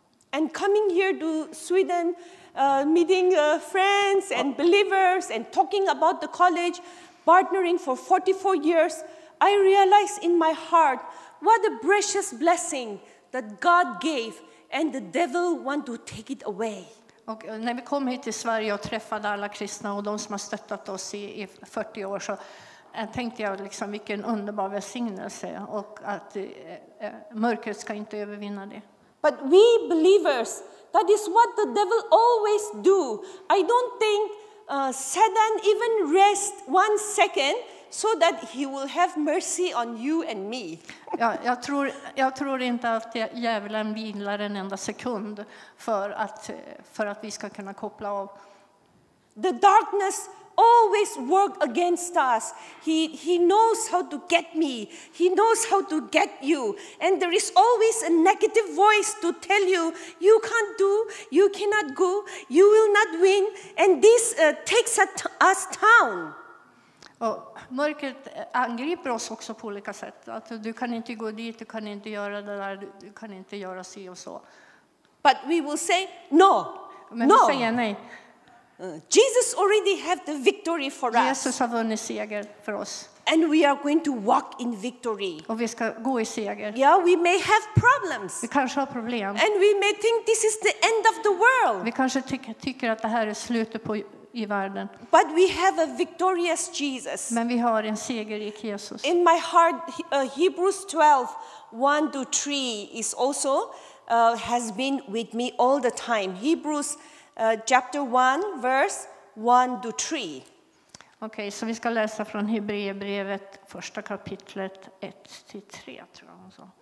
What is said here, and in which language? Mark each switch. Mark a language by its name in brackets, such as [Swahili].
[English] And coming here to Sweden, meeting friends and believers and talking about the college, partnering for 44 years, I realized in my heart what a precious blessing that God gave, and the devil want to take it away. [Swedish] Och när vi kom hit till Sverige och träffade alla kristna och de som har stöttat oss i 40 år, så tänkte jag liksom vilken underbar välsignelse, och att mörkret ska inte övervinna det. [English] But we believers, that is what the devil always do. I don't think Satan even rest one second so that he will have mercy on you and me. [Swedish] Jag tror inte att djävulen vilar en enda sekund för att vi ska kunna koppla av. [English] The darkness always work against us. He knows how to get me. He knows how to get you. And there is always a negative voice to tell you, you can't do, you cannot go, you will not win. And this takes us down. [Swedish] Och mörkret angriper oss också på olika sätt. Att du kan inte gå dit, du kan inte göra det där, du kan inte göra si och så. [English] But we will say no. [Swedish] Men vi säger nej. [English] Jesus already have the victory for us. [Swedish] Jesus har vunnit seger för oss. [English] And we are going to walk in victory. [Swedish] Och vi ska gå i seger. [English] Yeah, we may have problems. [Swedish] Vi kanske har problem. [English] And we may think this is the end of the world. [Swedish] Vi kanske tycker att det här är slutet på i världen. [English] But we have a victorious Jesus. [Swedish] Men vi har en segerrik Jesus. [English] In my heart, Hebrews 12:1-3 is also has been with me all the time. Hebrews chapter 1, verse 1-3. [Swedish] Okej, så vi ska läsa från Hebreerbrevet, första kapitlet 1-3, tror jag.